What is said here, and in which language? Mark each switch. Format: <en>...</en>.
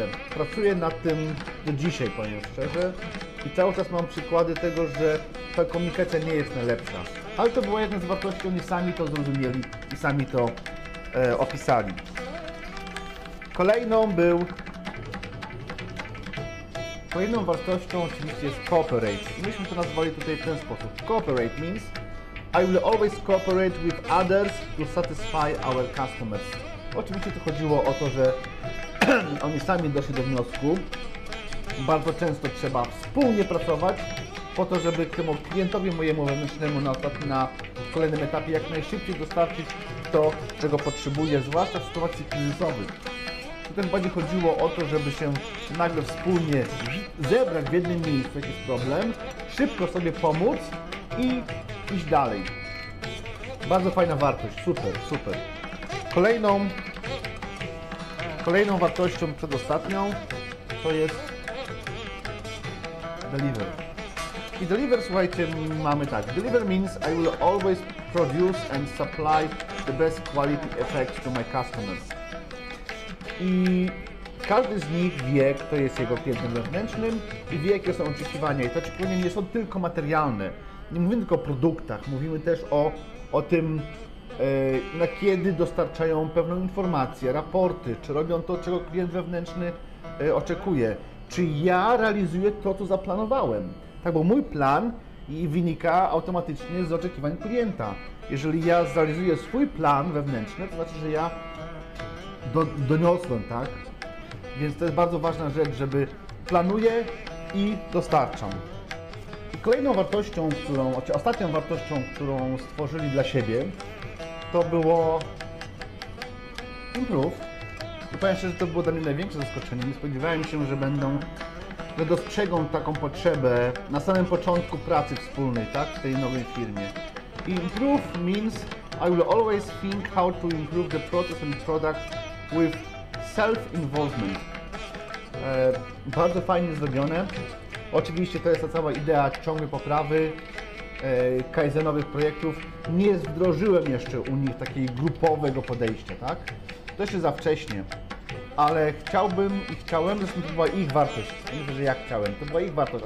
<pl>Pracuję nad tym do dzisiaj, powiem szczerze. I cały czas mam przykłady tego, że ta komunikacja nie jest najlepsza. Ale to była jedna z wartości, oni sami to zrozumieli i sami to opisali. Kolejną wartością oczywiście jest cooperate. Myśmy to nazwali tutaj w ten sposób.</pl> <en>Cooperate means I will always cooperate with others to satisfy our customers.</en> <pl>Oczywiście tu chodziło o to, że oni sami doszli do wniosku. Bardzo często trzeba wspólnie pracować po to, żeby temu klientowi mojemu wewnętrznemu na kolejnym etapie jak najszybciej dostarczyć to, czego potrzebuje, zwłaszcza w sytuacji kryzysowej. Tutaj bardziej chodziło o to, żeby się nagle wspólnie zebrać w jednym miejscu, jakiś problem, szybko sobie pomóc i iść dalej. Bardzo fajna wartość, super, super. Kolejną wartością, przedostatnią, to jest deliver.</pl> <en>I deliver,</en> <pl>słuchajcie, mamy tak.</pl> <en>Deliver means I will always produce and supply the best quality effects to my customers.</en> <pl>I każdy z nich wie, kto jest jego klientem wewnętrznym i wie, jakie są oczekiwania. I te oczekiwania nie są tylko materialne. Nie mówimy tylko o produktach, mówimy też o tym, na kiedy dostarczają pewną informację, raporty, czy robią to, czego klient wewnętrzny oczekuje. Czy ja realizuję to, co zaplanowałem? Tak, bo mój plan wynika automatycznie z oczekiwań klienta. Jeżeli ja zrealizuję swój plan wewnętrzny, to znaczy, że ja doniosłem, tak? Więc to jest bardzo ważna rzecz, żeby planuję i dostarczam. I kolejną wartością, ostatnią wartością, którą stworzyli dla siebie, to było improve. I powiem szczerze, że to było dla mnie największe zaskoczenie. Nie spodziewałem się, że dostrzegą taką potrzebę na samym początku pracy wspólnej, tak, w tej nowej firmie.</pl> <en>Improve means I will always think how to improve the process and product with self-involvement.</en> <pl>Bardzo fajnie zrobione. Oczywiście to jest ta cała idea ciągłej poprawy kaizenowych projektów. Nie wdrożyłem jeszcze u nich takiej grupowego podejścia, tak? To jeszcze za wcześnie, ale to była ich wartość.</pl>